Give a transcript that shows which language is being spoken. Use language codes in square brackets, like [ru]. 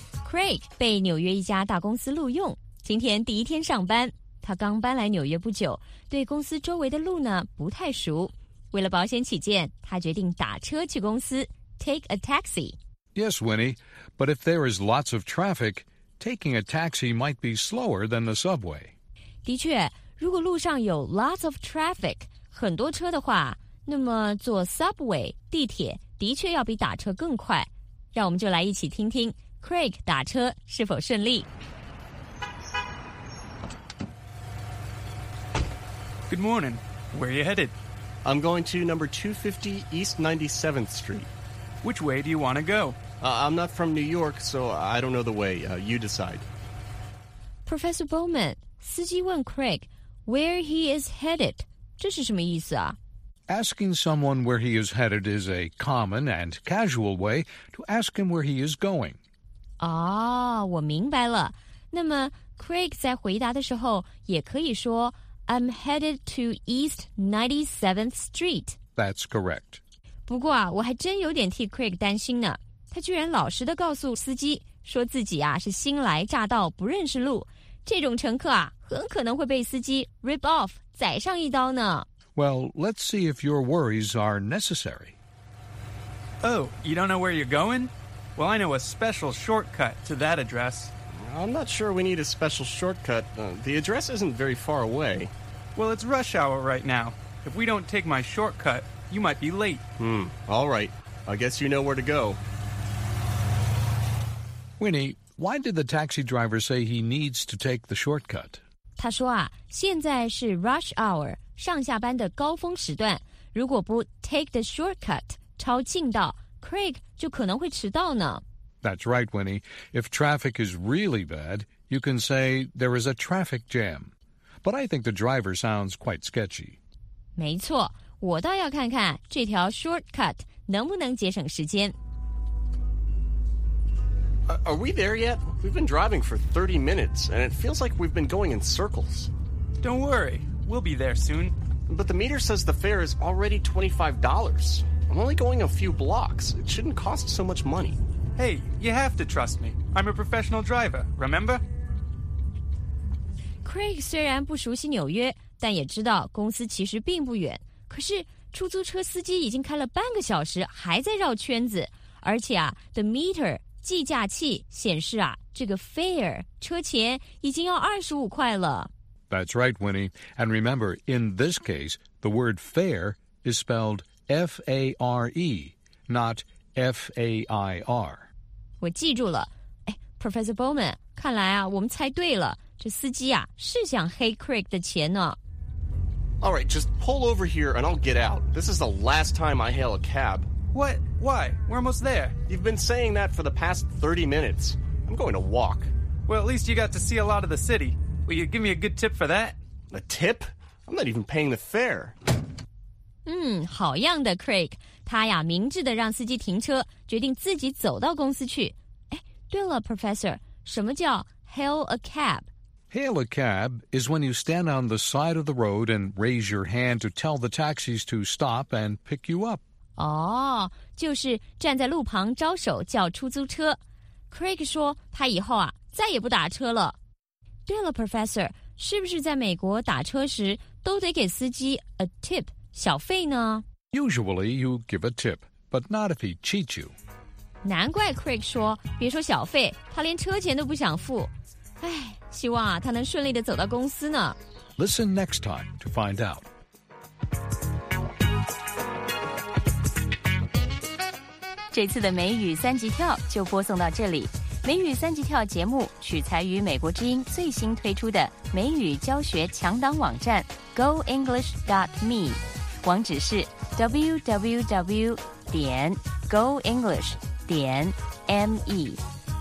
[zh] Craig 被纽约一家大公司录用，今天第一天上班。他刚搬来纽约不久，对公司周围的路呢不太熟。为了保险起见，他决定打车去公司 ， [en] take a taxi。 Yes, Winnie, but if there is lots of traffic, taking a taxi might be slower than the subway. [zh] 的确，如果路上有 [en] lots of traffic, [zh] 很多车的话，那么坐 subway 地铁的确要比打车更快。让我们就来一起听听。Craig 打车是否顺利 [en] ？Good morning. Where are you headed? I'm going to number 250 East 97th Street. Which way do you want to go?、 I'm not from New York, so I don't know the way.、you decide. Professor Bowman, [zh] 司机问 [en] Craig where he is headed. [zh] 这是什么意思啊？ [en] Asking someone where he is headed is a common and casual way to ask him where he is going. [zh] 哦，我明白了。那么 Craig 在回答的时候也可以说 [en] I'm headed to East 97th Street. That's correct. [zh] 不过啊，我还真有点替 Craig 担心呢。他居然老实地告诉司机说自己啊是新来乍到，不认识路。这种乘客啊很可能会被司机 rip off 宰上一刀呢。 [en] Well, let's see if your worries are necessary. Oh, you don't know where you're going? Well, I know a special shortcut to that address. I'm not sure we need a special shortcut. The address isn't very far away. Well, it's rush hour right now. If we don't take my shortcut, you might be late. All right. I guess you know where to go. Winnie, why did the taxi driver say he needs to take the shortcut? [zh] 他说啊，现在是 rush hour, 上下班的高峰时段。如果不 [en] take the shortcut, [zh] 抄近道。Craig 就可能会迟到呢。 [en] That's right, Winnie. If traffic is really bad, you can say there is a traffic jam. But I think the driver sounds quite sketchy. [zh] 没错，我倒要看看这条 shortcut 能不能节省时间。 [en] Are we there yet? We've been driving for 30 minutes, and it feels like we've been going in circles. Don't worry, we'll be there soon. But the meter says the fare is already $25. I'm only going a few blocks. It shouldn't cost so much money. Hey, you have to trust me. I'm a professional driver, remember? [zh] Craig 虽然不熟悉纽约，但也知道公司其实并不远。可是出租车司机已经开了半个小时，还在绕圈子。而且啊 ，the meter 计价器显示啊，这个 fare 车钱已经要25块了。 [en] That's right, Winnie. And remember, in this case, the word fare is spelled. F-A-R-E, not F-A-I-R. [zh] 我记住了。哎 ,Professor Bowman, 看来啊我们猜对了。这司机啊是想黑 Craig 的钱呢。 [en] All right, just pull over here and I'll get out. This is the last time I hail a cab. What? Why? We're almost there. You've been saying that for the past 30 minutes. I'm going to walk. Well, at least you got to see a lot of the city. Will you give me a good tip for that? A tip? I'm not even paying the fare. [zh] 好样的 Craig, 他呀明智地让司机停车，决定自己走到公司去。哎，对了 Professor, 什么叫 hail a cab? [en] Hail a cab is when you stand on the side of the road and raise your hand to tell the taxis to stop and pick you up. [zh] 哦，就是站在路旁招手叫出租车。 Craig 说他以后啊再也不打车了。对了 Professor, 是不是在美国打车时都得给司机 a tip? 小费呢 [en] Usually you give a tip, but not if he cheats you. [zh] 难怪 Craig 说别说小费，他连车钱都不想付。哎，希望啊他能顺利地走到公司呢。 [en] Listen next time to find out. [zh] 这次的美语三级跳就播送到这里。美语三级跳节目取材于美国之音最新推出的美语教学强档网站 goenglish.me。网址是 www.goenglish.me